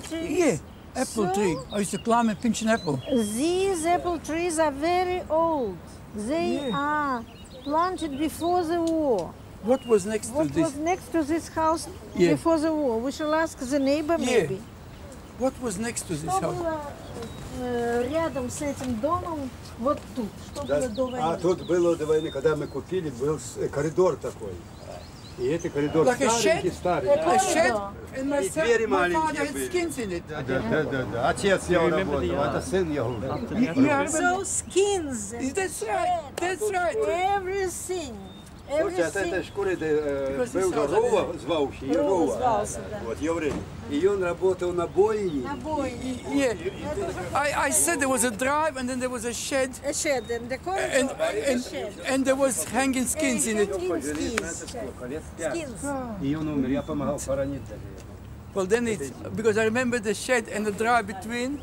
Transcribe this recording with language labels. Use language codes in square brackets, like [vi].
[en] tree? Yeah, apple tree. I used to climb and pinch an apple. These apple trees are very old. They are planted before the war. What was next to this? What was next to this house before the war? We shall ask the neighbor maybe. Yeah. What was next to this house? [ru] Рядом с этим домом вот тут. Что было до войны? А тут было до войны, когда мы купили, был коридор такой. И это коридор [en] like [ru] старенький, старенький. [en] Like a shed? [ru] И двери маленькие были. Да. Отец его работал, это сын его. [en] So skins. That's right. That's right. Everything. [ru] Слушайте, от этой шкуры был Рова, звался и Рова. Вот еврей. И он работал на бойне. На бойне. [en] Yeah. I said there was a drive and then there was a shed. A shed and the corridor. And there was hanging skins in it. Skins. [ru] И он умер. Я помогал хоронить. [en] Well, then it because I remember the shed and the drive between.